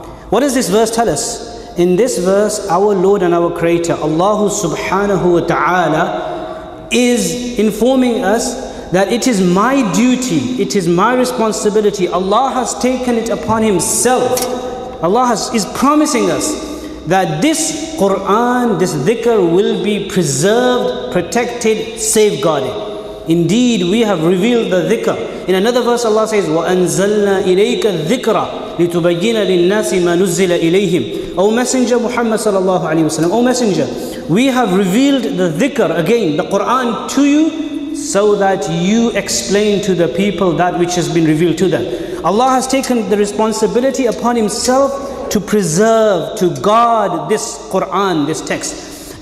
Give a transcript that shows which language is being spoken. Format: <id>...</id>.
<en>What does this verse tell us? In this verse, our Lord and our Creator, Allah subhanahu wa ta'ala, is informing us that it is my duty, it is my responsibility. Allah has taken it upon Himself. Allah is promising us that this Qur'an, this dhikr, will be preserved, protected, safeguarded. Indeed, we have revealed the dhikr. In another verse, Allah says,</en> <ar>وَأَنزَلْنَا إِلَيْكَ الذِّكْرَ لِتُبَيِّنَ لِلنَّاسِ مَا نُزِّلَ إِلَيْهِمْ.</ar> <en>O Messenger Muhammad sallallahu alayhi wa sallam, O Messenger, we have revealed the dhikr, again, the Qur'an to you, so that you explain to the people that which has been revealed to them. Allah has taken the responsibility upon Himself to preserve, to guard this Qur'an, this text.</en>